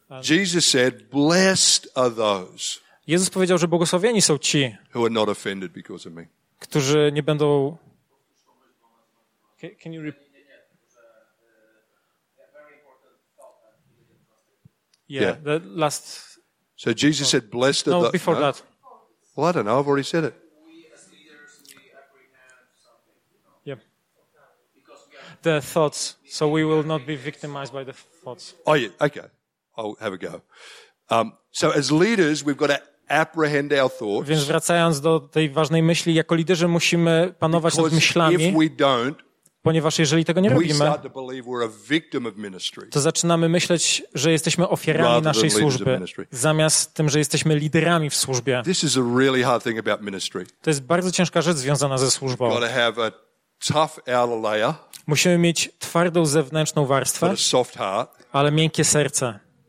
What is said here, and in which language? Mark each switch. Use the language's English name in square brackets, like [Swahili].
[English] Jesus said, blessed are those. [Polish] Jezus powiedział, że błogosławieni są ci, [English] who are not offended because of me. [Polish] Którzy nie będą. [English] Can you repeat? Yeah, the last. So Jesus said, blessed are those. No, before that. Well, I don't know. I've already said it. The thoughts, so we will not be victimized by the thoughts. Oh, yeah, okay. I'll have a go. So as leaders, we've got to apprehend our thoughts. [Polish] Więc wracając do tej ważnej myśli, jako liderzy musimy panować nad myślami, [English] if we don't, [Polish] ponieważ jeżeli tego nie robimy, [English] we start to believe we're a victim of ministry, [Polish] to zaczynamy myśleć, że jesteśmy ofiarami naszej służby, zamiast tym, że jesteśmy liderami w służbie. [English] This is a really hard thing about ministry. [Polish] To jest bardzo ciężka rzecz związana ze służbą. [English] We've got to have a tough outer layer. [Polish] Musimy mieć twardą zewnętrzną warstwę, ale miękkie serce.